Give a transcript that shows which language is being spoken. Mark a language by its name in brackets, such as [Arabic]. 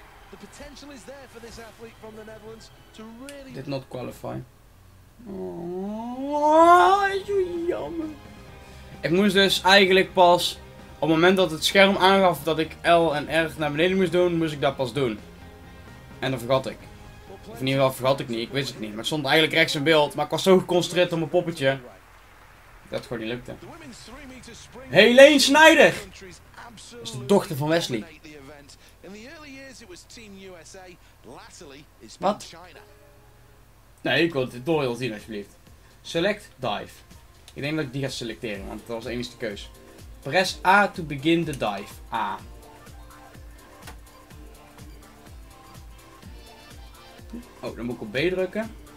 [English] The potential is there for this athlete from the Netherlands to really did not qualify. [Dutch] Oh, zo jammer. Ik moest dus eigenlijk pas op het moment dat het scherm aangaf dat ik L en R naar beneden moest doen, moest ik dat pas doen. En dat vergat ik. Of in ieder geval vergat ik niet, ik wist het niet. Maar het stond eigenlijk rechts in beeld, maar ik was zo geconcentreerd op mijn poppetje dat het gewoon niet lukte. Helene Snijder! Dat is de dochter van Wesley. [English] In the early years it was Team USA, latterly it's been China. [Dutch] Nee, ik wil het tutorial zien alsjeblieft. [English] Select dive. [Dutch] Ik denk dat ik die ga selecteren, want dat was de enige keus. [English] Press A to begin the dive. A. [Dutch] Oh, dan moet ik op B drukken.